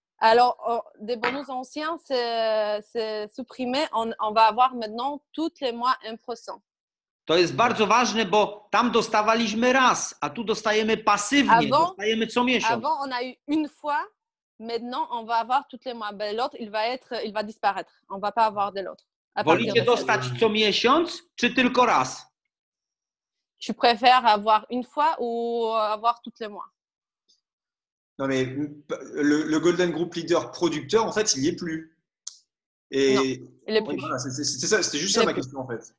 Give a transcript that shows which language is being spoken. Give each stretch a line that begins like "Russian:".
French: Alors, des bonus anciens, c'est supprimé. On va avoir maintenant tous les mois 1%.
Polish: To jest bardzo ważne, bo tam dostawaliśmy raz, a tu dostajemy pasywnie, dostajemy co miesiąc.
French: Avant, on a eu une fois, maintenant on va avoir toutes les mois. Mais l'autre, il va disparaître. On va pas avoir de l'autre.
Polish: Wolicie dostać co miesiąc, czy tylko raz?
French: Tu préfères avoir une fois ou avoir toutes les mois? Non mais, le Golden Group Leader producteur, en fait, il n'y est plus. Non, il est plus. Voilà, c'était juste ça ma question, en fait.